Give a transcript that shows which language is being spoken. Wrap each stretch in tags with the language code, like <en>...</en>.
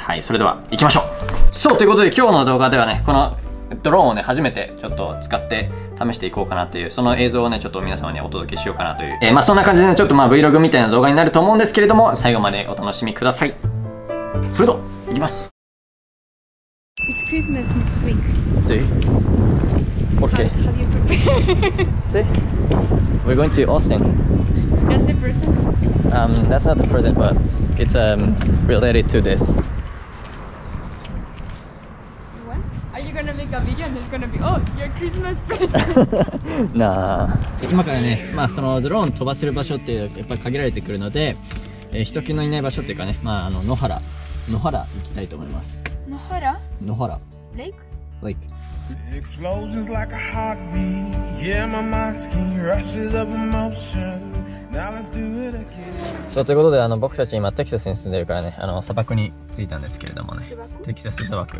<ja>はい、それでは行きましょう。そう、ということで今日の動画ではね、このドローンをね、初めてちょっと使って試していこうかなっていう、その映像をね、ちょっと皆様にお届けしようかなという、まあそんな感じでね、ちょっとまあ Vlog みたいな動画になると思うんですけれども、最後までお楽しみください。それでは、いきます。</ja> <en>It's Christmas next week. See? Okay. How do you prepare? See? We're going to Austin. That's a present? That's not a present, but it's related to this You're gonna make a video and it's gonna be, oh, your Christmas present!</en> <ja>Nah. 今からね、まあ、そのドローン飛ばせる場所ってやっぱり限られてくるので、人気のいない場所っていうかね、まあ、野原行きたいと思います。野原?レイク? そう、ということで、僕たち今テキサスに住んでるからね、砂漠に着いたんですけれどもね、テキサス砂漠。</ja>